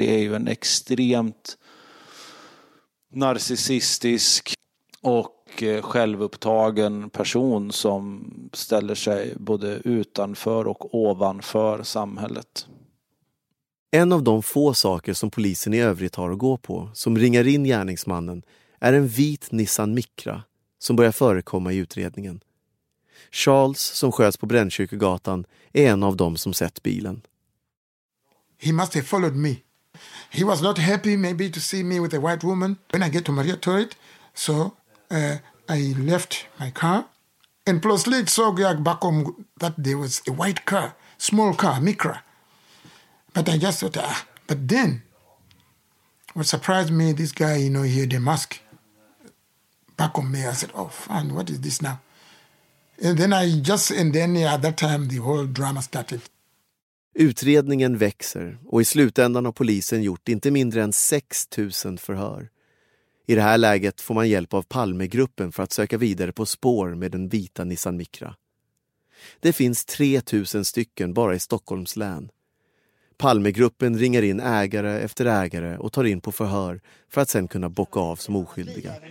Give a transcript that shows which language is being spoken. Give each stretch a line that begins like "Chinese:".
Swedish: Det är ju en extremt narcissistisk och självupptagen person som ställer sig både utanför och ovanför samhället. En av de få saker som polisen i övrigt har att gå på som ringar in gärningsmannen är en vit Nissan Micra som börjar förekomma i utredningen. Charles, som sköts på Brännkyrkogatan, är en av dem som sett bilen.
English: He must have followed me. He was not happy maybe to see me with a white woman. When I get to Maria Turret, so I left my car and
Swedish: plötsligt såg jag bakom
English: that there was a white car, small car, Micra. But I just thought, but then what surprised me, this guy, you know, he had a mask bakom me. I said, oh, fan, what is this now? And then at that time the whole drama started.
Swedish: Utredningen växer och i slutändan har polisen gjort inte mindre än 6000 förhör. I det här läget får man hjälp av Palmegruppen för att söka vidare på spår med den vita Nissan Micra. Det finns 3000 stycken bara i Stockholms län. Palmegruppen ringer in ägare efter ägare och tar in på förhör för att sen kunna bocka av som oskyldiga.